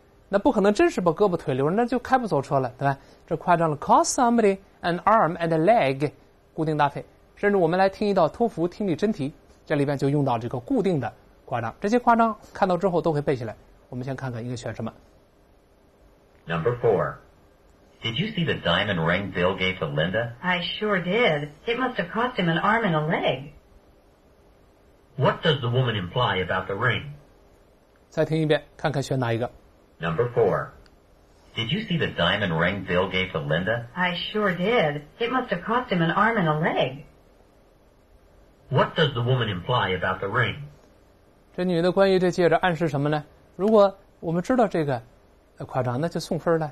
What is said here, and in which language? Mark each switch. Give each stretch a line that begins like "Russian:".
Chinese: 那不可能真是把胳膊腿留着，那就开不走车了，对吧？这夸张了。
English: Cost somebody an arm and a leg，
Chinese: 固定搭配。甚至我们来听一道托福听力真题，这里边就用到这个固定的夸张。这些夸张看到之后都会背下来。我们先看看应该选什么。
English: Number four, did you see the diamond ring Bill gave to Linda? I sure did. It must have cost him an arm and a leg. What does the woman imply about the ring?
Chinese: 再听一遍，看看选哪一个。
English: Number four. Did you see the diamond ring Bill gave to Linda? I sure did. It must have cost him an arm and a leg. What does the woman imply about the ring?
Chinese: 这女的关于这戒指暗示什么呢？如果我们知道这个夸张，那就送分了。